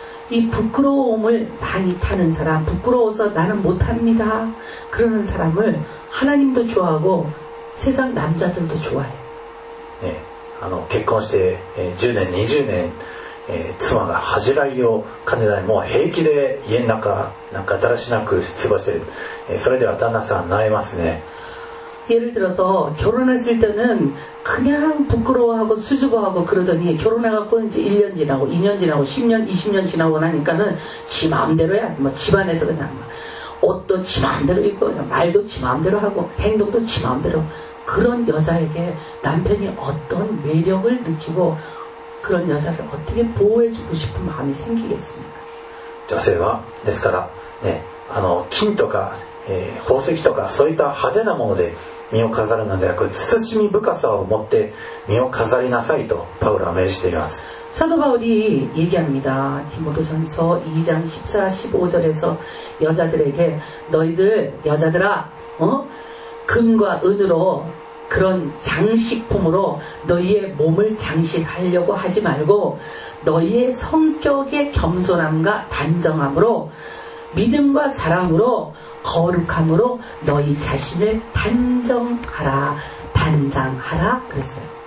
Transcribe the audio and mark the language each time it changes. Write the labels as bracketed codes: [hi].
[ko] 이부끄러움을많이타는사람부끄러워서나는못합니다그러는사람을하나님도좋아하고세상남자들도좋아해요 [ja] 네あの結婚して10年20年妻が恥じらいを感じないもう平気で家の中なんかだらしなく過ごしてるそれでは旦那さん悩ますね [ko] 예를 들어서 결혼했을 때는 그냥 부끄러워하고 수줍어하고 그러더니 결혼해갖고 이제 1년 지나고 2년 지나고 10년 20년 지나고 나니까는 지 마음대로야. 뭐 집안에서 그냥 옷도 지 마음대로 입고 그냥 말도 지 마음대로 하고 행동도 지 마음대로. 그런 여자에게 남편이 어떤 매력을 느끼고 그런 여자를 어떻게 보호해주고 싶은 마음이 생기겠습니까? 여자가 [ja] ですから金とか宝石とかそういった派手なもので身を飾るのではなく慎み深さを持って身を飾りなさいとパウロは命じています。 [ko] 사도바울이얘기합니다디모데전서2장14 15절에서여자들에게너희들여자들아어금과은으로그런장식품으로너희의몸을장식하려고하지말고너희의성격의겸손함과단정함으로믿음과사랑으로거룩함으로너희자신을단정하라단장하라그랬어요。